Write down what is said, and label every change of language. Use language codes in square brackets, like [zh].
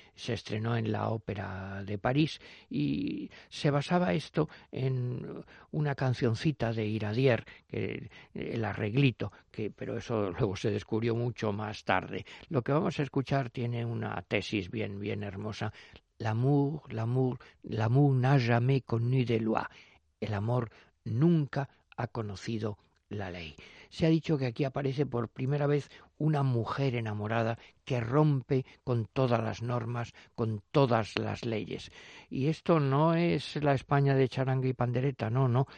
[es] Se estrenó en la Ópera de París y se basaba esto en una cancioncita de Iradier, que el arreglito, que pero eso luego se descubrió mucho más tarde. Lo que vamos a escuchar tiene una tesis bien, bien hermosa. [fr] L'amour, l'amour, l'amour n'a jamais connu de loi. [es] El amor nunca ha conocido la ley. Se ha dicho que aquí aparece por primera vez una mujer enamorada que rompe con todas las normas, con todas las leyes. Y esto no es la España de charanga y pandereta, no, no.